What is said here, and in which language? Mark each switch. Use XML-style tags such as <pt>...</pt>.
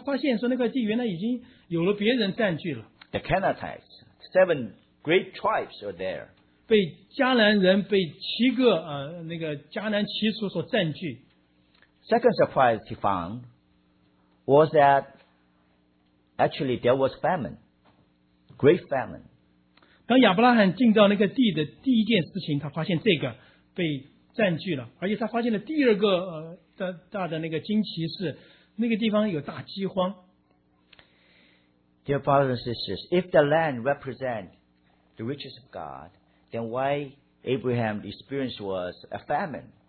<zh>那亚伯拉罕刚刚进到那块地的时候，他发现说那块地原来已经有了别人占据了。</zh> <en>The Canaanites, seven great tribes were there.</en> <zh>被迦南人被七个那个迦南七族所占据。</zh> <en>Second surprise he found was that actually there was famine, great famine.</en> <zh>当亚伯拉罕进到那个地的第一件事情，他发现这个被占据了，而且他发现了第二个大的那个惊奇是那个地方有大饥荒。</zh> <en>Dear brothers and sisters, if the land represents the riches of God, then why Abraham's experience was a famine?</en>